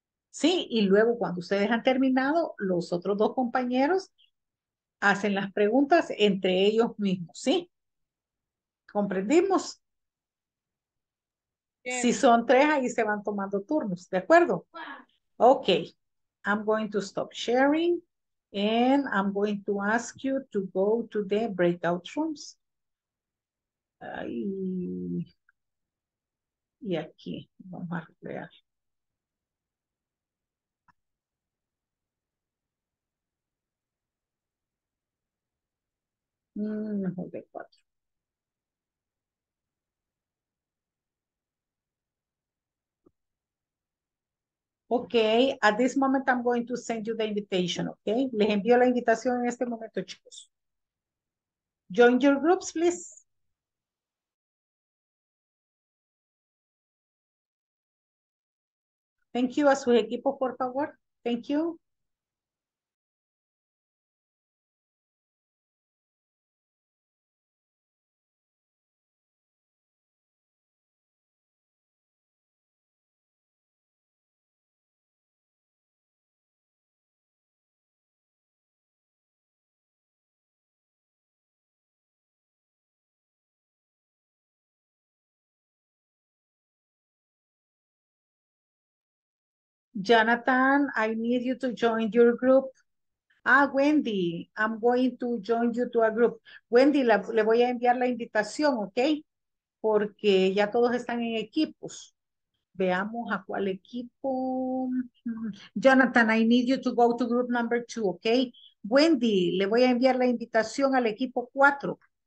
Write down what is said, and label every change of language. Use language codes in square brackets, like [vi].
[es] Sí, y luego cuando ustedes han terminado, los otros dos compañeros hacen las preguntas entre ellos mismos, ¿sí? ¿Comprendimos? Bien. Si son tres, ahí se van tomando turnos, ¿de acuerdo? [en] Wow. Ok, I'm going to stop sharing and I'm going to ask you to go to the breakout rooms. [es] Ay. Y aquí, vamos a crear. Mejor de cuatro. [en] Okay, at this moment I'm going to send you the invitation, okay? [es] Les envío la invitación en este momento, chicos. [en] Join your groups, please. Thank you [es] a su equipo, por favor. Thank you. [en] Jonathan, I need you to join your group. Ah, Wendy, I'm going to join you to a group. [es] Wendy, le voy a enviar la invitación, ¿ok? Porque ya todos están en equipos. Veamos a cuál equipo. [en] Jonathan, I need you to go to group number two, ¿ok? [es] Wendy, le voy a enviar la invitación al equipo cuatro.